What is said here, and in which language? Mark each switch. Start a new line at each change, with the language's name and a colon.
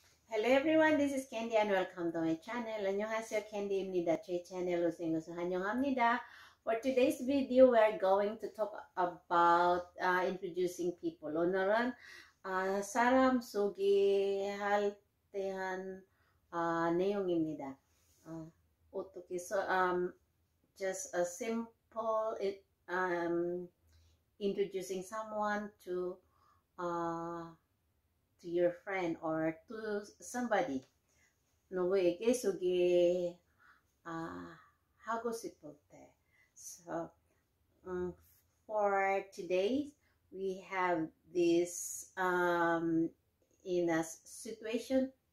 English: Hello everyone, this is Candy and welcome to my channel.
Korean: 안녕하세요, Candy 입니다. 제 채널로 생겨서 환영합니다.
English: For today's video, we are going to talk about introducing people.
Korean: 오늘은 사람 소개할 때한 내용입니다. 어떻게
English: so just a simple introducing someone to your friend or to somebody.
Korean: 누구에게 소개하고 싶을 때.
English: So, for today, we have this in a situation.